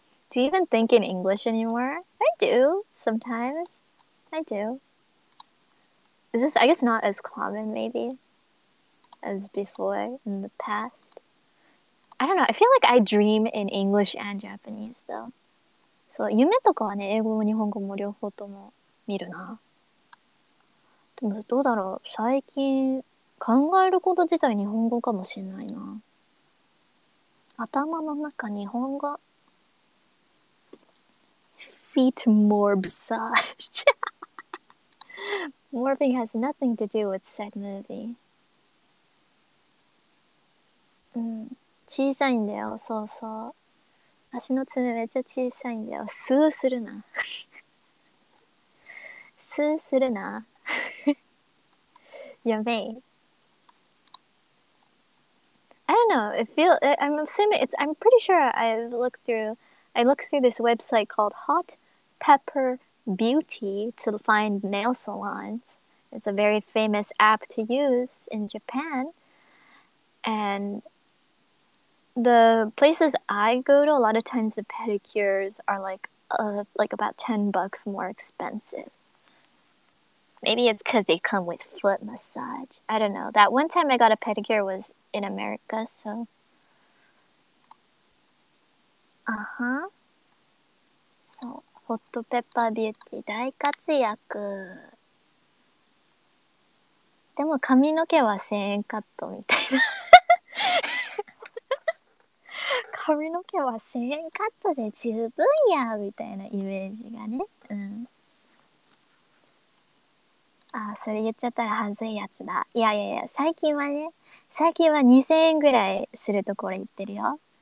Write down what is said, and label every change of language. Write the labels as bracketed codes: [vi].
[en] Do you even think in English anymore? I do, sometimes. I do. It's just, I guess, not as common, maybe, as before in the past. I don't know. I feel like I dream in English and Japanese, though. [ja] So, 夢とかはね、英語も日本語も両方とも見るな。でも、どうだろう。最近、考えること自体日本語かもしれないな。頭の中、日本語。 [en] Feet morb such. Morbing has nothing to do with said movie. [ja] うん。小さいんだよ、そうそう。足の爪めっちゃ小さいんだよ。スーするな。スーするな。やべえ。 [en] I don't know. I'm assuming it's. I'm pretty sure I looked through this website called Hot Pepper Beauty to find nail salons. It's a very famous app to use in Japan. And the places I go to, a lot of times the pedicures are like about $10 more expensive. Maybe it's because they come with foot massage. I don't know. That one time I got a pedicure was in America, so. [ja] Uh-huh. So, Hot Pepper Beauty, 大活躍。でも髪の毛は1000円カットみたいな。髪の毛は1000円カットで十分や、みたいなイメージがね。うん。あ、それ言っちゃったら恥ずいやつだ。いやいやいや、最近はね、最近は2000円ぐらいするところ行ってるよ。